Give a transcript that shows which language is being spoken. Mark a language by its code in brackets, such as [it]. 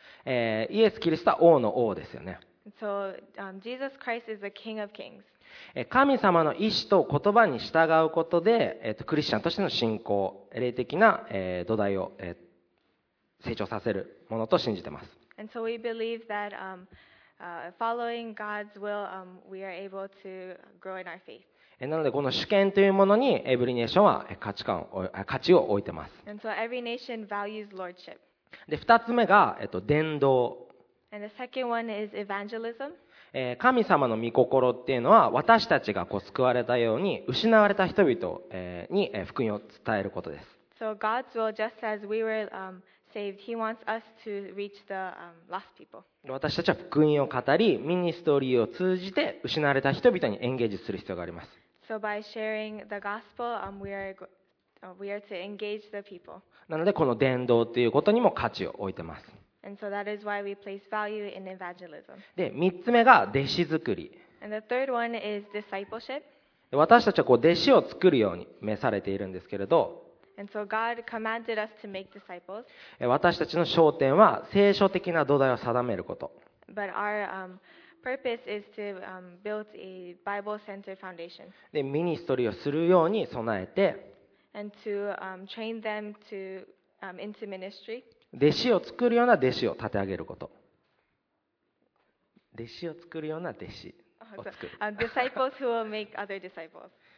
[ja] イエス・キリストは王の王ですよね。 [en] So, Jesus Christ is the King of Kings. [ja] 神様の意思と言葉に従うことで、クリスチャンとしての信仰、霊的な、土台を、成長させるものと信じています。 [en] And so we believe that, following God's will, we are able to grow in our faith. [ja] なのでこの主権というものにエブリネーションは価値を置いています。 [en] And so every nation values lordship. [ja] で、2つ目が、伝道。 [en] And the second one is evangelism. [ja] 神様の御心っていうのは私たちがこう救われたように失われた人々に福音を伝えることです。 [en] So God's will, just as we were, saved, He wants us to reach the, lost people. [ja] 私たちは福音を語り、ミニストリーを通じて失われた人々にエンゲージする必要があります。 [en] So by sharing the gospel, we are to engage the people. [ja] なのでこの伝道ということにも価値を置いてます。 [en] And so that is why we place value in evangelism. [ja] で、3つ目が弟子作り。 [en] And the third one is discipleship. [ja] 私たちはこう弟子を作るように召されているんですけれど、 [en] And so God commanded us to make disciples. [ja] 私たちの焦点は聖書的な土台を定めること。 [en] But our, purpose is to, build a Bible-centered foundation. [ja] で、ミニストリーをするように備えて、 [en] And to, train them to, into ministry. [ja] 弟子を作るような弟子を立て上げること。弟子を作るような弟子を作る。 [en] Disciples who will make other disciples.